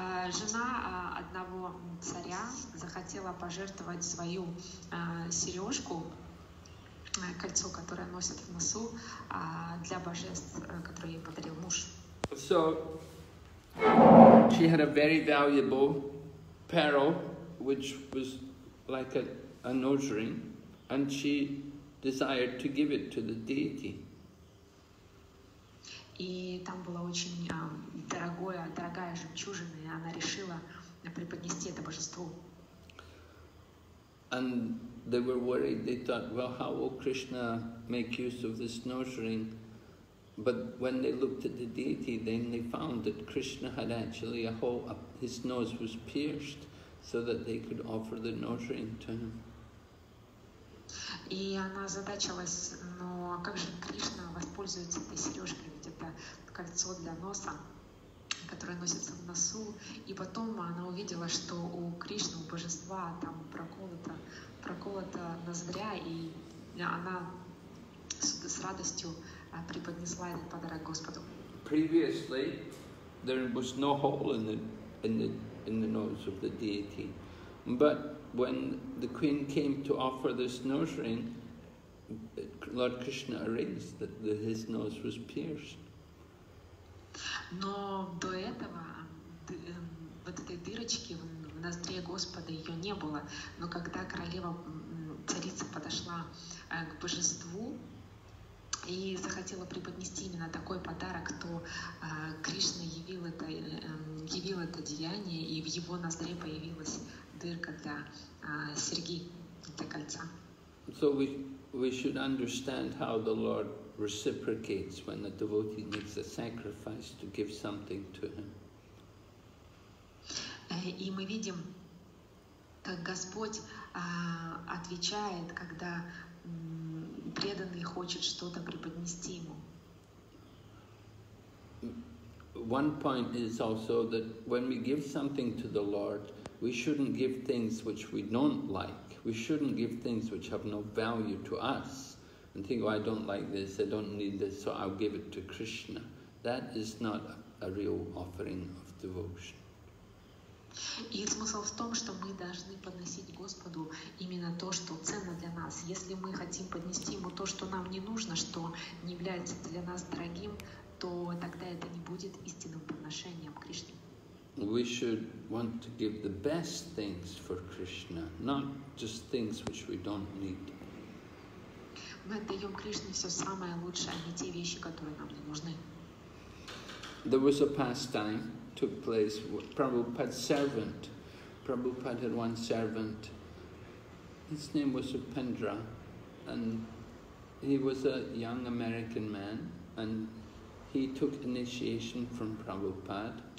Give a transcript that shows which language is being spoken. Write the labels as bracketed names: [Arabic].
[Russian] Жена одного царя захотела пожертвовать свою сережку, кольцо, которое носит в носу, для божеств, которые ей подарил муж. [English] So, she had a very valuable pearl, which was like a nose ring, and she desired to give it to the deity. [Russian] И там была очень дорогая жемчужина, и она решила преподнести это божеству. [English] And they were worried, they thought, well, how will Krishna make use of this nose ring? But when they looked at the deity, then they found that Krishna had actually his nose was pierced, so that they could offer the nose ring to him. [Russian] И она задачилась, ну а как же Кришна воспользуется этой сережкой, ведь это кольцо для носа, которое носится в носу. И потом она увидела, что у Кришны, у божества, там проколота ноздря, и она с радостью преподнесла этот подарок Господу. [English] Previously, there was no hole in the nose of the deity, But when the queen came to offer this nose ring, Lord Krishna arranged that his nose was pierced. [Russian] Но до этого вот этой дырочки в ноздре Господа ее не было. Но когда королева царица подошла к божеству и захотела преподнести именно такой подарок, то Кришна явил это деяние, и в его ноздре появилась дырка для серьги, для кольца. [English] So we should understand how the Lord reciprocates when a devotee makes a sacrifice to give something to him. [Russian] И мы видим, как Господь отвечает, когда преданный хочет что-то преподнести ему. [English] One point is also that when we give something to the Lord, we shouldn't give things which we don't like. We shouldn't give things which have no value to us and think, oh, I don't like this, I don't need this, so I'll give it to Krishna. That is not a real offering of devotion. [Russian] И смысл в том, что мы должны подносить Господу именно то, что ценно для нас. Если мы хотим поднести Ему то, что нам не нужно, что не является для нас дорогим, то тогда это не будет истинным подношением Кришне. [English] We should want to give the best things for Krishna, not just things which we don't need. [Russian] Мы отдаем Кришне все самое лучшее, а не те вещи, которые нам не нужны. [English] There was a pastime took place with Prabhupada's servant. Prabhupada had one servant. His name was Upendra, and he was a young American man, and he took initiation from Prabhupada.